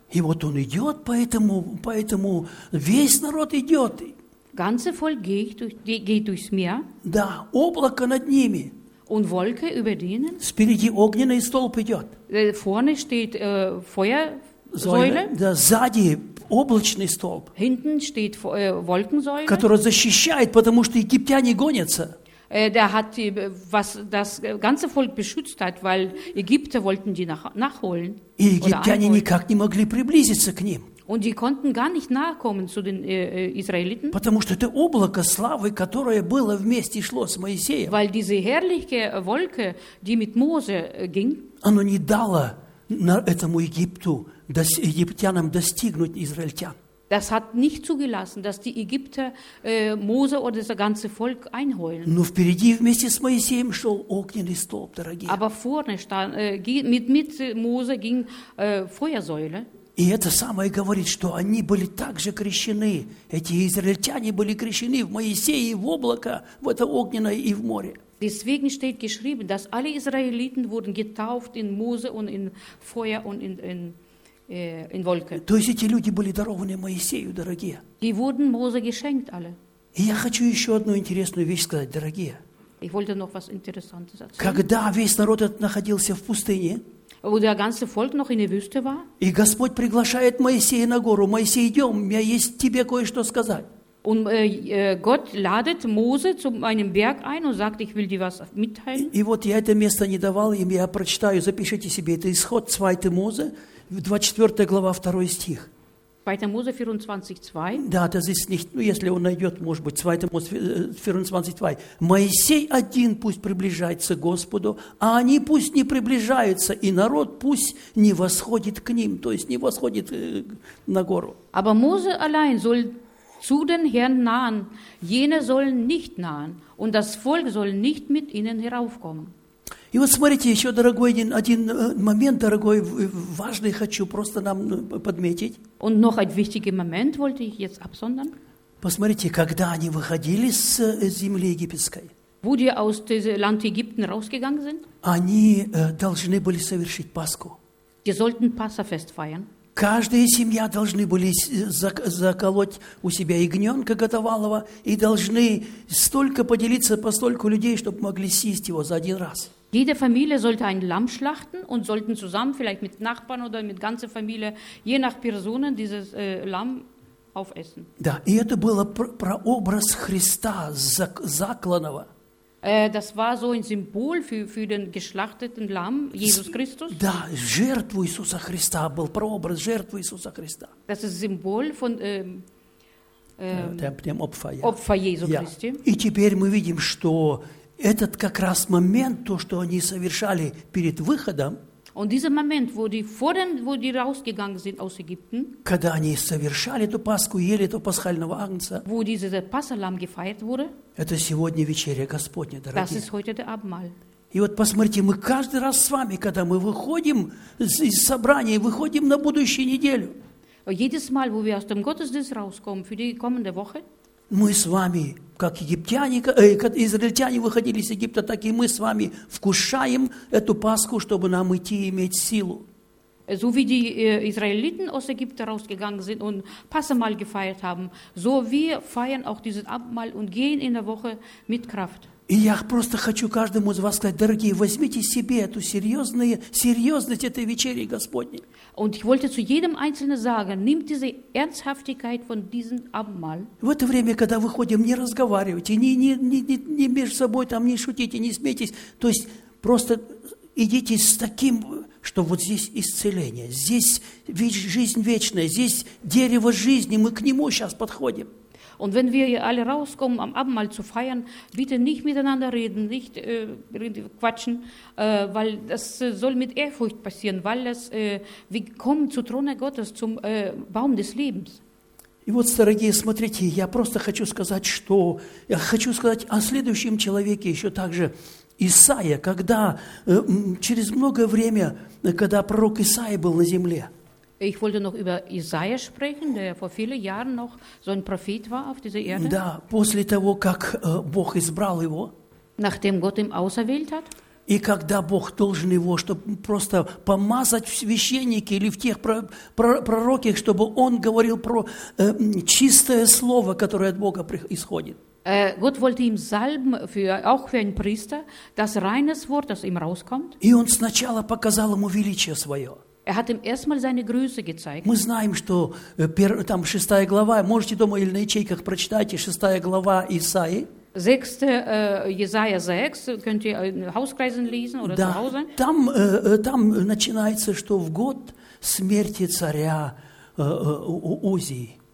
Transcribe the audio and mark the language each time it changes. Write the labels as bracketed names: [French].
[Russian] И вот он идет, поэтому весь народ идет. [German] Ganze Volk geht durchs Meer. [Russian] Да, облако над ними. [German] Und Wolke über denen. [Russian] Спереди огненный столб идет. [German] Vorne steht Feuersäule. [Russian] Да, сзади облачный столб. [German] Hinten steht Wolkensäule. [Russian] Которая защищает, потому что египтяне гонятся. [German] Der hat was das ganze Volk beschützt hat, weil Ägypter wollten die nachholen. [Russian] И египтяне никак не могли приблизиться к ним. [German] Und die konnten gar nicht nachkommen zu den Israeliten. [Russian] Потому что это облако славы, которое было вместе шло с Моисеем. [German] Weil diese herrliche Wolke, die mit Mose ging, [Russian] оно не дало этому Египту, египтянам достигнуть израильтян. [German] Das hat nicht zugelassen, dass die Ägypter Mose oder das ganze Volk einholen. [Russian] Но впереди вместе с Моисеем шел огненный столб, дорогие. [German] Aber vorne stand, mit Mose ging Feuersäule. [Russian] И это самое говорит, что они были также крещены. Эти израильтяне были крещены в Моисея и в облако, в это огненное и в море. [German] Deswegen steht geschrieben, dass alle Israeliten wurden getauft in Mose und in Feuer und in Wolke. [Russian] То есть эти люди были дарованы Моисею, дорогие. [German] Die wurden Mose geschenkt alle. [Russian] И я хочу еще одну интересную вещь сказать, дорогие. [German] Ich wollte noch was Interessantes erzählen. [Russian] Когда весь народ находился в пустыне, [German] wo der ganze Volk noch in der Wüste war. [Russian] И Господь приглашает Моисея на гору. Моисей, идем, у меня есть тебе кое-что сказать. [German] Und Gott ladet Mose zu einem Berg ein und sagt, ich will dir was mitteilen. [Russian] И вот я это место не давал им, я прочитаю, запишите себе, это Исход 2 Мозе, 24 глава, 2 стих. [German] 2. Mose 24:2. [Russian] Да, [German] das ist nicht, [Russian] ну, если он найдет, может быть, 2. [German] Mose 24:2. [Russian] Моисей один пусть приближается к Господу, а они пусть не приближаются, и народ пусть не восходит к ним, то есть не восходит на гору. [German] Aber Mose allein soll zu den Herrn nahen, jene sollen nicht nahen, und das Volk soll nicht mit ihnen heraufkommen. [Russian] И вот смотрите, еще, дорогой, один момент, дорогой, важный хочу просто нам подметить. [German] Und noch ein wichtiger Moment wollte ich jetzt absondern. [Russian] Посмотрите, когда они выходили с земли египетской. [German] Wo die aus diesem Land Ägypten rausgegangen sind. [Russian] Они должны были совершить Пасху. [German] Die sollten Passafest feiern. [Russian] Каждая семья должны были заколоть у себя ягненка готовалого и должны столько поделиться по столько людей, чтобы могли съесть его за один раз. [German] Jede Familie sollte ein Lamm schlachten und sollten zusammen, vielleicht mit Nachbarn oder mit ganzer Familie, je nach Personen, dieses Lamm aufessen. [Russian] Да, и это было про образ Христа закланного. [German] Das war so ein Symbol für den geschlachteten Lamm, Jesus Christus. [Russian] Да, жертву Иисуса Христа был про образ жертвы Иисуса Христа. [German] Das ist Symbol von dem Opfer, ja. Opfer Jesu ja. Christi. [Russian] И теперь мы видим, что этот как раз момент, то, что они совершали перед выходом, [German] und dieser Moment, wo die rausgegangen sind aus Ägypten, [Russian] когда они совершали эту Пасху, ели этого пасхального агнца, [German] wo dieses Passahlamm gefeiert wurde, [Russian] это сегодня вечеря Господня, дорогие. [German] Das ist heute der Abendmahl. [Russian] И вот посмотрите, мы каждый раз с вами, когда мы выходим из собрания, выходим на будущую неделю, [German] jedes Mal, wo wir aus dem Gottesdienst rauskommen für die kommende Woche, [Russian] мы с вами, как египтяне, как израильтяне выходили из Египта, так и мы с вами вкушаем эту Пасху, чтобы нам идти и иметь силу. [German] So wie die Israeliten aus Ägypten rausgegangen sind und Passahmahl gefeiert haben, so wir feiern auch dieses Abendmahl und gehen in der Woche mit Kraft. [Russian] И я просто хочу каждому из вас сказать, дорогие, возьмите себе эту серьезность этой вечери Господней. [German] Und ich wollte zu jedem Einzelnen sagen, nimmt diese Ernsthaftigkeit von diesem Abendmahl. [Russian] В это время, когда выходим, не разговаривайте, не между собой там не шутите, не смейтесь. То есть просто идите с таким, что вот здесь исцеление, здесь жизнь вечная, здесь дерево жизни, мы к нему сейчас подходим. [German] Und wenn wir alle rauskommen, am Abendmahl zu feiern, bitte nicht miteinander reden, nicht quatschen, weil das soll mit Ehrfurcht passieren, weil das, wir kommen zu Throne Gottes, zum Baum des Lebens. [Russian] И вот, дорогие, смотрите, я просто хочу сказать, что я хочу сказать о следующем человеке еще также. Исаия, когда через многое время, когда пророк Исаия был на земле, [German] ich wollte noch über Jesaja sprechen, der vor vielen Jahren noch so ein Prophet war auf dieser Erde. [Russian] Да, после того, как Бог избрал его, [German] nachdem Gott ihn auserwählt hat, [Russian] и когда Бог должен его, чтобы просто помазать в священнике или в тех пророке, чтобы он говорил про чистое слово, которое от Бога исходит. [German] Gott wollte ihm salben, auch für einen Priester, das reine Wort, das ihm rauskommt. [Russian] И он сначала показал ему величие свое. [German] Er hat ihm erstmal seine Größe gezeigt. [Russian] Мы знаем, что там шестая глава, можете дома или на ячейках прочитайте, шестая глава Исаии. [German] Sechste Jesaja 6, könnt ihr in Hauskreisen lesen oder [Russian] да, [German] zu Hause. [Russian] Там, там начинается, что в год смерти царя Узии.